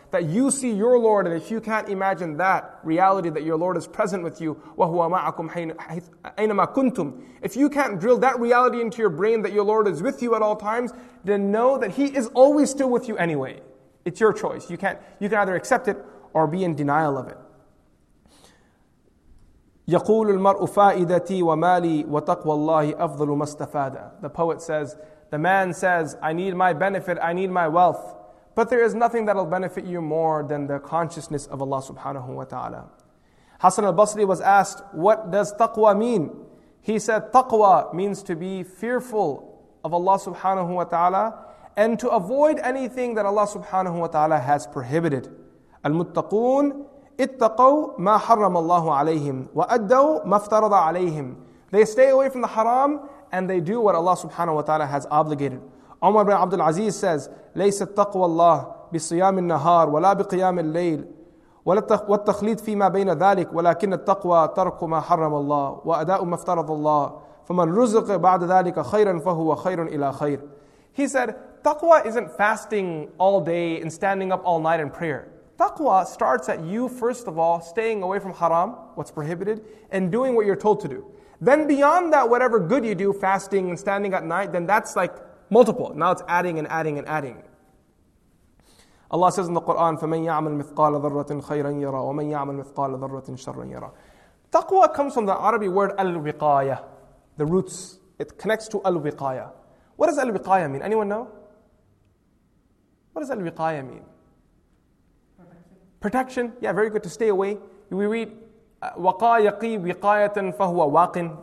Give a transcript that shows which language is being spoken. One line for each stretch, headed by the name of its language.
English: That you see your Lord, and if you can't imagine that reality that your Lord is present with you,
Arabic: وَهُوَ مَعَكُمْ أَيْنَمَا كُنْتُمْ.
English: If you can't drill that reality into your brain that your Lord is with you at all times, then know that He is always still with you anyway. It's your choice. You can either accept it or be in denial of it.
Arabic: يقول المرء فائدتي ومالي وتقوى الله أفضل ما استفاد.
English: The poet says, the man says, I need my benefit, I need my wealth. But there is nothing that will benefit you more than the consciousness of Allah subhanahu wa ta'ala. Hassan al-Basri was asked, what does taqwa mean? He said, taqwa means to be fearful of Allah subhanahu wa ta'ala and to avoid anything that Allah subhanahu wa ta'ala has prohibited.
Arabic: المتقون اتقوا ما حرم الله عليهم وأدوا ما افترض عليهم.
English: They stay away from the haram and they do what Allah subhanahu wa ta'ala has obligated.
Arabic: Umar bin Abdul Aziz says, ليس التقوى الله بصيام النهار ولا بقيام الليل والتخليط فيما بين ذلك ولكن التقوى ترك ما حرم الله وأداء ما افترض الله فمن رزق بعد ذلك خيرا فهو خير إلى خير.
English: He said, taqwa isn't fasting all day and standing up all night in prayer. Taqwa starts at you, first of all, staying away from haram, what's prohibited, and doing what you're told to do. Then beyond that, whatever good you do, fasting and standing at night, then that's like multiple. Now it's adding and adding and adding. Allah says in the Quran,
Arabic: فَمَنْ يَعْمَلْ مِثْقَالَ ذَرَّةٍ خَيْرًا يَرَى وَمَنْ يَعْمَلْ مِثْقَالَ ذَرَّةٍ شَرًّا يَرَى.
English: Taqwa comes from the Arabic word al-wiqaya, the roots. It connects to al-wiqaya. What does al-wiqaya mean? Anyone know? What does al-wiqaya mean? Protection, yeah, very good, to stay away. We read,
Arabic: وَقَا يَقِي وِقَايَةً فَهُوَ وَاقٍ.